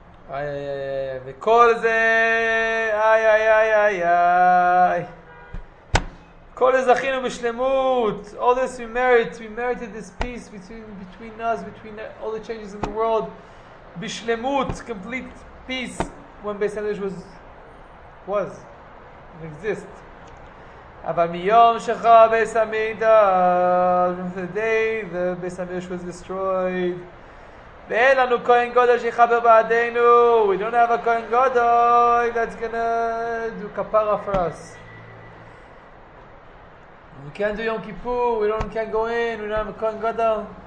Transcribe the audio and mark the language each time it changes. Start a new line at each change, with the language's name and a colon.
Hebrew: איי איי איי איי, וכל זה, איי איי איי איי איי. כל הזכינו בשלמות,
English: all this we merited this peace between us, between all the changes in the world, בשלמות, complete peace, when Beis Hamikdash was, and exist.
Hebrew: אבל מיום שחרב בית המקדש,
English: from the day the Beis Hamikdash was destroyed,
Hebrew: ואין לנו כהן גדול שיחבר בעדינו.
English: We don't have a כהן גדול that's gonna do kapara for us. We can't do Yom Kippur. We don't can't go in. We don't have a כהן גדול.